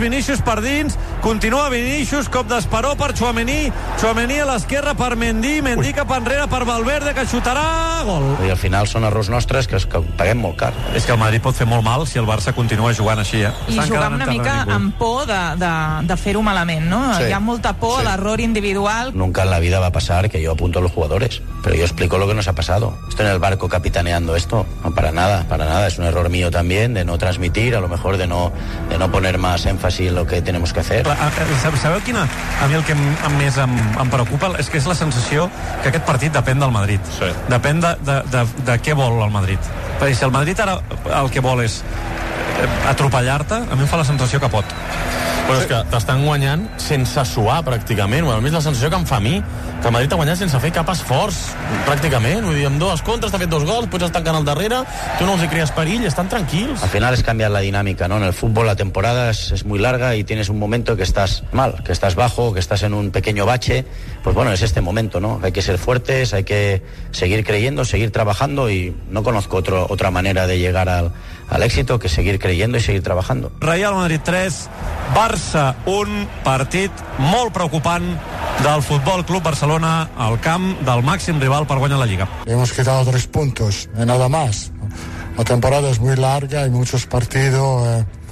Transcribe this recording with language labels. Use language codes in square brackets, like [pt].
[ca] Vinícius per dins, continua Vinícius, cop d'esperó per Tchouaméni. Tchouaméni a l'esquerra per Mendy. Mendy cap enrere per Valverde, que xutarà gol. I al final són errors nostres que paguem molt car. És que el Madrid pot fer molt mal si el Barça continua jugant així. I jugar una mica amb por de fer-ho mal. No? Sí. Hi ha molta por, sí. L'error individual. [es] Nunca en la vida [ca] va passar que jo [es] apunto a los jugadores, pero yo explico lo que nos ha pasado. Estoy en el barco capitaneando esto. No, para nada. Es un error mío también de no transmitir, a lo mejor de no poner más énfasis en lo que tenemos que hacer. [ca] Sabeu quina? A mi el que més em preocupa és que és la sensació que aquest partit depèn del Madrid. Sí. Depèn de què vol el Madrid. Perquè si el Madrid ara el que vol és atropellar-te, a mi em fa la sensació que pot. Però és que t'estan guanyant sense suar, pràcticament. A més, la sensació que em fa a mi, que Madrid ha guanyat sense fer cap esforç, pràcticament. Vull dir, amb dues contres, t'ha fet dos gols, potser estan canal darrere, tu no els hi crees perill, estan tranquils. Al final has canviat la dinàmica, no? [es] En el futbol la temporada és muy larga y tienes un momento que estás mal, que estás bajo, que estás en un pequeño bache. Pues bueno, es este momento, ¿no? Hay que ser fuertes, hay que seguir creyendo, seguir trabajando y no conozco otra manera de llegar al éxito que seguir creyendo y seguir trabajando. [ca] Real Madrid 3, Barça 1, partit molt preocupant del Futbol Club Barcelona al camp del màxim rival per guanyar la Lliga. [es] Hemos quedado 3 puntos, nada más. La temporada es muy larga, hay muchos partidos.